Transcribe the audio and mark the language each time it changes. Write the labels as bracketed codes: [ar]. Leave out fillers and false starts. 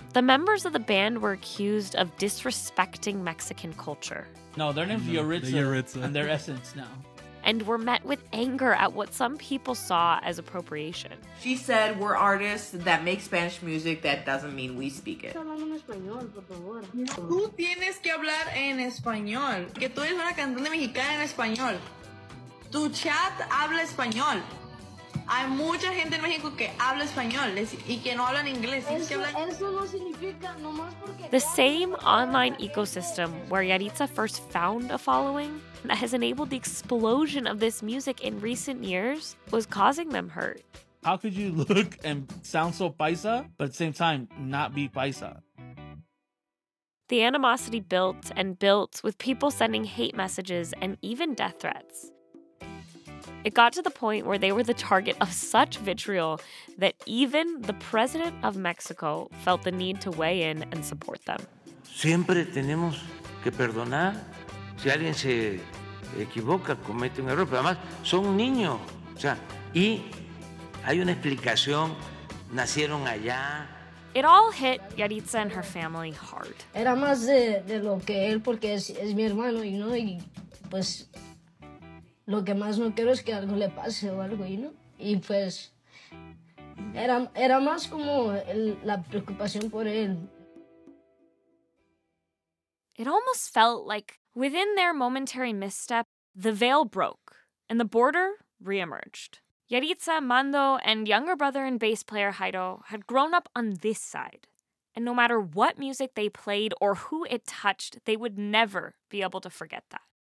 [en] The members of the band were accused of disrespecting Mexican culture. No, their name's Yaritza. And their essence now. And were met with anger at what some people saw as appropriation. She said, we're artists that make Spanish music, that doesn't mean we speak it. [es] Tú tienes que hablar en español, que tú eres una cantante mexicana en español. Tu chat habla español. Hay mucha gente en México que habla español y que no hablan inglés. Eso no significa nomás porque... [en] The same online ecosystem where Yaritza first found a following that has enabled the explosion of this music in recent years was causing them hurt. How could you look and sound so paisa, but at the same time not be paisa? The animosity built and built, with people sending hate messages and even death threats. It got to the point where they were the target of such vitriol that even the president of Mexico felt the need to weigh in and support them. [es] Siempre tenemos que perdonar si alguien se equivoca, comete un error, pero además son niños, o sea, y hay una explicación, nacieron allá. [en] It all hit Yaritza and her family hard. [es] Era más de lo que él, porque es mi hermano, y no, y pues... Lo que más no quiero es que algo le pase o algo, ¿no? Y pues, era más como la preocupación por él. [en] It almost felt like within their momentary misstep, the veil broke and the border reemerged. Yaritza, Mando, and younger brother and bass player Jairo had grown up on this side. And no matter what music they played or who it touched, they would never be able to forget that.